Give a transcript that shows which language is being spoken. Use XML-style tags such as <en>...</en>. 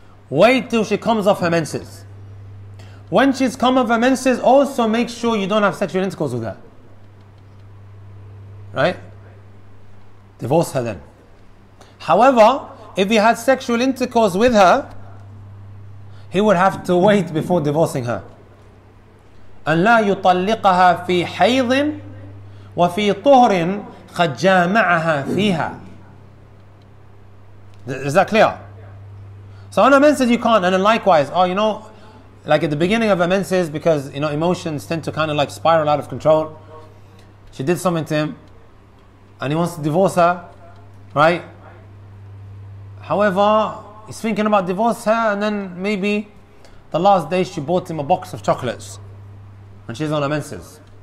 <en>Wait till she comes off her menses. When she's come off her menses, also make sure you don't have sexual intercourse with her. Right? Divorce her then. However, if he had sexual intercourse with her, he would have to wait before divorcing her.</en> <ar>أن لا يطلقها في حيض وفي طهر قد جامعها فيها.</ar> <en>Is that clear? So on a menses you can't, and then likewise, oh, you know, like at the beginning of a menses, because, you know, emotions tend to kind of like spiral out of control. She did something to him and he wants to divorce her, right? However, he's thinking about divorce her, and then maybe the last day she bought him a box of chocolates and she's on her menses.</en>